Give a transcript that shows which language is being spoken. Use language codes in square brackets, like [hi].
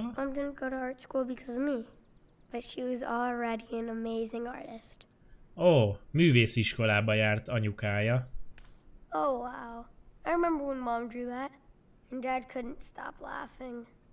[en] Mom didn't go to art school because of me. But she was already an amazing artist. [hu] Ó, művésziskolába járt anyukája. [en] Oh wow. I remember when mom drew that and dad couldn't stop laughing.